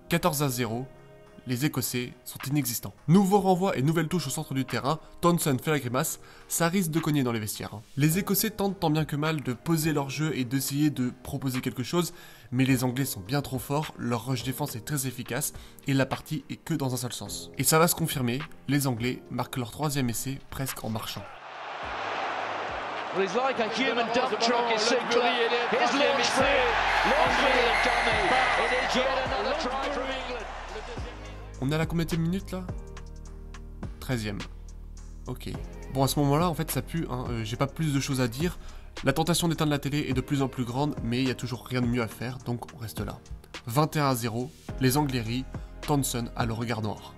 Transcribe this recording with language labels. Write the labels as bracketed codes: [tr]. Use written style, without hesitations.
[fr] 14-0, les Écossais sont inexistants. Nouveau renvoi et nouvelle touche au centre du terrain, Townsend fait la grimace, ça risque de cogner dans les vestiaires. Les Écossais tentent tant bien que mal de poser leur jeu et d'essayer de proposer quelque chose, mais les Anglais sont bien trop forts, leur rush défense est très efficace et la partie est que dans un seul sens. Et ça va se confirmer, les Anglais marquent leur troisième essai presque en marchant. [en] Well, he's like a human dump truck, it's so clear. His launch is free. Launch free of Danny. It is yet another try from England. [fr] On est à la combien de minutes là? 13ème. Ok. Bon, à ce moment-là, en fait, ça pue, hein. J'ai pas plus de choses à dire. La tentation d'éteindre la télé est de plus en plus grande, mais il y a toujours rien de mieux à faire, donc on reste là. 21-0, les Anglais rient, Townsend a le regard noir.